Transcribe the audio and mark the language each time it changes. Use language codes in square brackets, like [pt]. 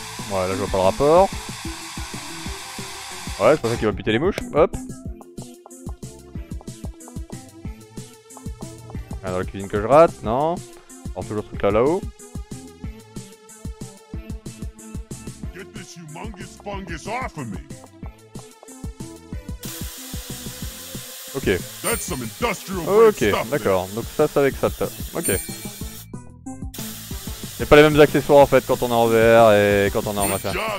[fr] Ouais, là je vois pas le rapport. Ouais, c'est pour ça qu'il va buter les mouches, hop. Ah, dans la cuisine que je rate, non. Alors toujours ce truc là, là-haut. [en] Get this humongous fungus off of me. Ok. That's some industrial waste stuff. [fr] Ok, d'accord, donc ça c'est avec ça. Ok. C'est pas les mêmes accessoires en fait quand on est en VR et quand on est en machin.